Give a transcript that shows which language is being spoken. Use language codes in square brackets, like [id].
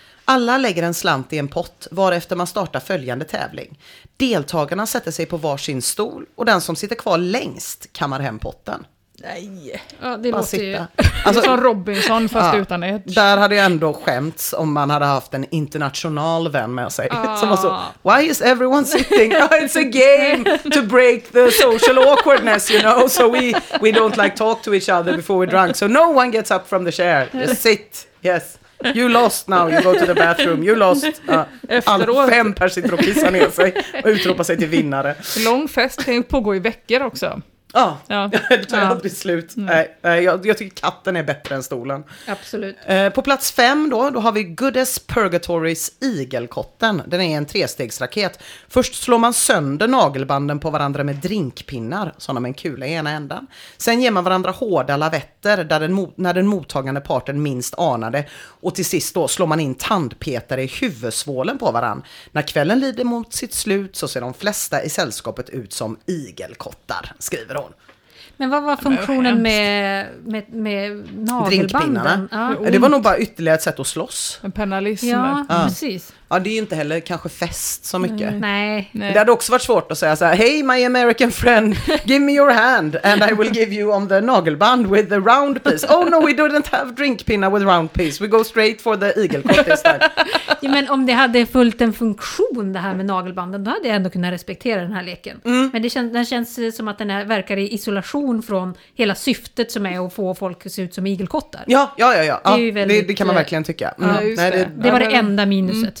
[sv] Alla lägger en slant i en pott, varefter man startar följande tävling. Deltagarna sätter sig på varsin stol och den som sitter kvar längst kammar hem potten. Nej. Ja, det bara låter sitta. Ju. Alltså, som Robinson, fast utan ett. Där hade jag ändå skämts om man hade haft en international vän med sig. Som var så, [en] why is everyone sitting? Oh, it's a game to break the social awkwardness, you know. So we don't like talk to each other before we're drunk. So no one gets up from the chair. Just sit. Yes. You lost now, you go to the bathroom. You lost. [sv] Efteråt. 5 personer sitter och pissar ner sig och utropar sig till vinnare. Lång fest kan ju pågå i veckor också. Ja, det tar aldrig slut. Jag tycker katten är bättre än stolen. Absolut. På plats 5 då har vi Goodest Purgatory's igelkotten. Den är en trestegsraket. Först slår man sönder nagelbanden på varandra med drinkpinnar, sådana med en kula i ena änden. Sen ger man varandra hårda lavetter när den mottagande parten minst anade. Och till sist då slår man in tandpetare i huvudsvålen på varandra. När kvällen lider mot sitt slut så ser de flesta i sällskapet ut som igelkottar, skriver hon. Men vad var funktionen med nagelbanden? Drinkpinnarna. Ja. Det var nog bara ytterligare ett sätt att slåss. En pennalism. Ja, precis. Ja, det är ju inte heller kanske fest så mycket. Nej. Det hade också varit svårt att säga så här: [en] "Hey my American friend, give me your hand and I will give you on the nagelband with the round piece." "Oh no, we didn't have drinkpinna with round piece. We go straight for the eagle court this time." [sv] Ja, men om det hade fullt en funktion det här med nagelbanden, då hade jag ändå kunnat respektera den här leken. Mm. Men den känns som att den här verkar i isolation från hela syftet som är att få folk att se ut som igelkottar. Ja. Det kan man verkligen tycka. Mm. Ja, nej, det var det enda minuset.